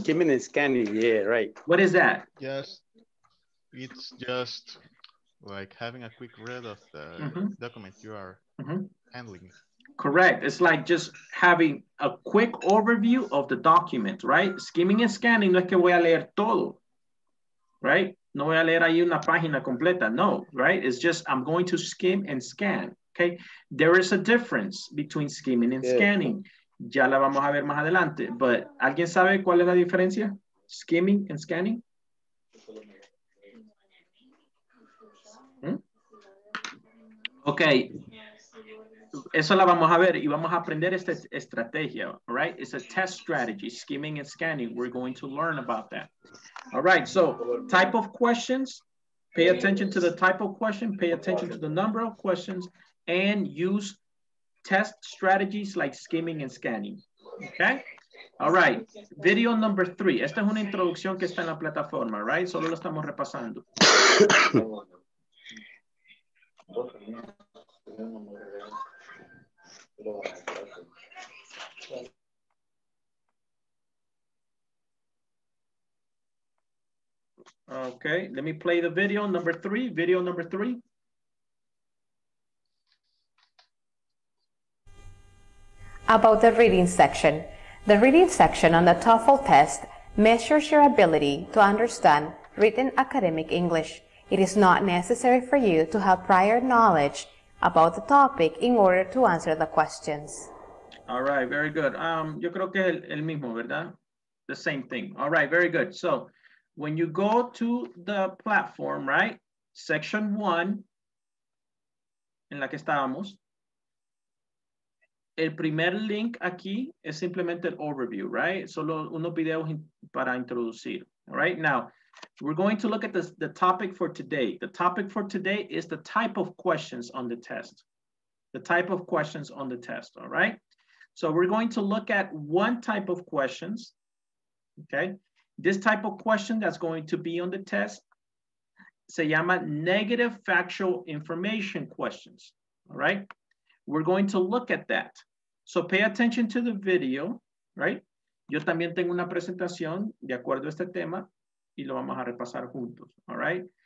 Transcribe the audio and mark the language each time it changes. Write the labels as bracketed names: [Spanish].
[English] Skimming and scanning, right. What is that? Yes, it's just like having a quick read of the document you are handling. Correct, it's like just having a quick overview of the document, right? Skimming and scanning, [Spanish] no es que voy a leer todo, [English] right? [Spanish] No voy a leer ahí una página completa, no, [English] right? It's just I'm going to skim and scan, okay? There is a difference between skimming and scanning. [Spanish] Ya la vamos a ver más adelante, [English] but [Spanish] ¿alguien sabe cuál es la diferencia? [English] Skimming and scanning. Ok. [Spanish] Eso la vamos a ver y vamos a aprender esta estrategia, [English] all right? It's a test strategy, skimming and scanning. We're going to learn about that. All right, so type of questions, pay attention to the type of question, pay attention to the number of questions, and use test strategies like skimming and scanning, okay? All right, video number three. [Spanish] Esta es una introducción que está en la plataforma, [English] right? [Spanish] Solo lo estamos repasando. [English] Okay, let me play the video number three, video number three. About the reading section. The reading section on the TOEFL test measures your ability to understand written academic English. It is not necessary for you to have prior knowledge about the topic in order to answer the questions. All right, very good. [Spanish] Yo creo que el mismo, ¿verdad? [English] The same thing. All right, very good. So when you go to the platform, right? Section one, [Spanish] en la que estábamos, el primer link aquí es simplemente el overview, [English] right? [Spanish] Solo unos videos para introducir, [English] all right? Now, we're going to look at the topic for today. The topic for today is the type of questions on the test. The type of questions on the test, all right? So we're going to look at one type of questions, okay? This type of question that's going to be on the test [Spanish] se llama [English] negative factual information questions, all right? We're going to look at that. So pay attention to the video, right? [Spanish] Yo también tengo una presentación de acuerdo a este tema y lo vamos a repasar juntos, [English] all right?